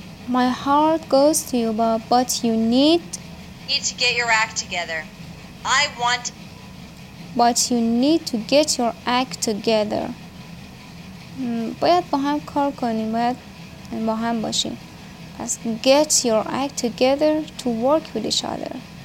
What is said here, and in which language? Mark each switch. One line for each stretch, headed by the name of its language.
English: My heart goes to you, Bob, but you need to get your act together. But you need to get your act together.
Persian: باید با هم کار کنیم، باید با هم باشیم.
English: پس get your act together to work with each other.